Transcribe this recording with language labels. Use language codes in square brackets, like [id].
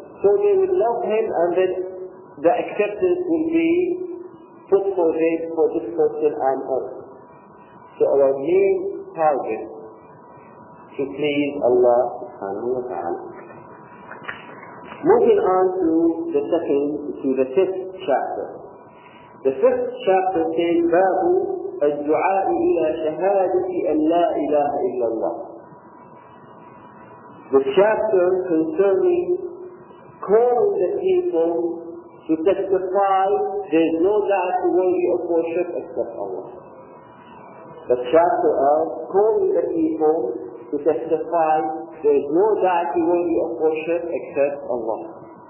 [en] So they will love him, and then the acceptance will be put for him, for this person and us. So our main target to please Allah subhanahu wa ta'ala. Moving on to the fifth chapter. The fifth chapter says, [ar] بَابُ الدُّعَاءِ إِلَى شَهَادَةِ أَنْ لَا إِلَهَ إِلَّا اللَّهِ. [en] The chapter concerning calling the people to testify there's no doubt worthy of worship except Allah. The chapter of calling the people to testify there is no deity worthy of worship except Allah.